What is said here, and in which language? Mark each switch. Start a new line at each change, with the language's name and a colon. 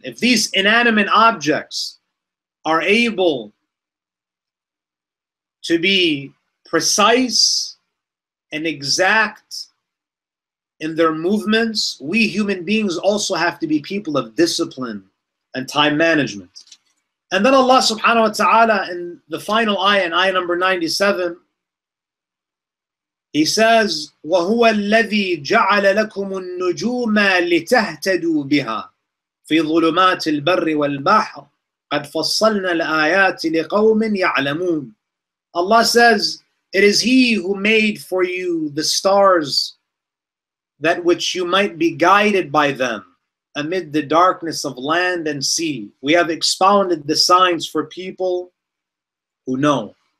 English: If these inanimate objects are able to be precise and exact in their movements, we human beings also have to be people of discipline and time management. And then Allah subhanahu wa ta'ala in the final ayah, in ayah number 97, He says,
Arabic: وَهُوَ الَّذِي جَعَلَ لَكُمُ النُّجُومَ لِتَهْتَدُوا بِهَا فِي ظُلُمَاتِ الْبَرِّ وَالْبَحْرِ قَدْ فَصَّلْنَا الْآيَاتِ لِقَوْمٍ يَعْلَمُونَ.
English: Allah says, it is He who made for you the stars, that which you might be guided by them amid the darkness of land and sea. We have expounded the signs for people who know.